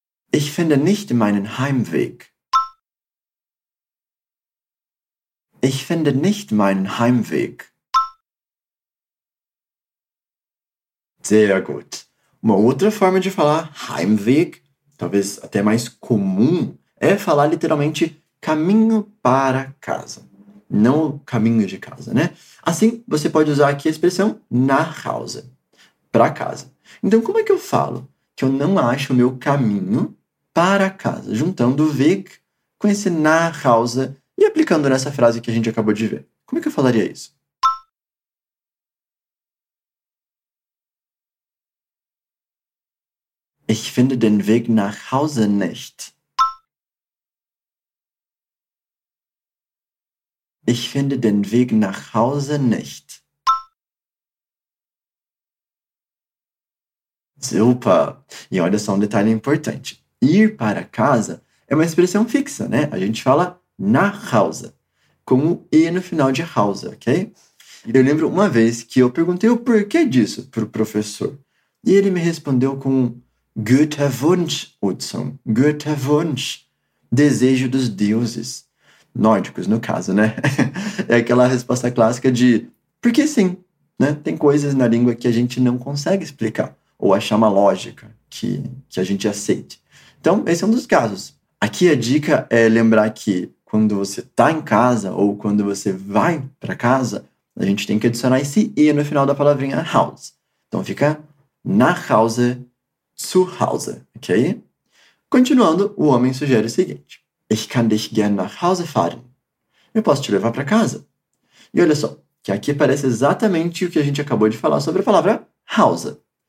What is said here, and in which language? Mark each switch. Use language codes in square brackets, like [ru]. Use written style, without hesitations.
[de] Ich finde nicht meinen Heimweg. Ich finde nicht meinen Heimweg. Sehr gut. [pt] Uma outra forma de falar Heimweg, talvez até mais comum, é falar literalmente caminho para casa. Não o caminho de casa, né? Assim, você pode usar aqui a expressão nach Hause, para casa. Então, como é que eu falo que eu não acho o meu caminho para casa? Juntando Weg com esse nach Hause e aplicando nessa frase que a gente acabou de ver. Como é que eu falaria isso? [de] Ich finde den Weg nach Hause nicht. Ich finde den Weg nach Hause nicht. Super! [pt] E olha só um detalhe importante. Ir para casa é uma expressão fixa, né? A gente fala nach Hause, com o E no final de Hause, ok? E eu lembro uma vez que eu perguntei o porquê disso para o professor. E ele me respondeu com [de] Guter Wunsch, [pt] Hudson. [de] Guter Wunsch. [pt] Desejo dos deuses. Nórdicos, no caso, né? É aquela resposta clássica de porque sim, né? Tem coisas na língua que a gente não consegue explicar ou achar uma lógica que a gente aceite. Então, esse é um dos casos. Aqui a dica é lembrar que quando você está em casa ou quando você vai para casa, a gente tem que adicionar esse E no final da palavrinha house. Então, fica nach Hause zu Hause, okay? Continuando, o homem sugere o seguinte. [de] Ich kann dich gern nach Hause fahren. [pt] Eu posso te levar para casa. E olha só, que aqui parece exatamente o que a gente acabou de falar sobre a palavra Hause.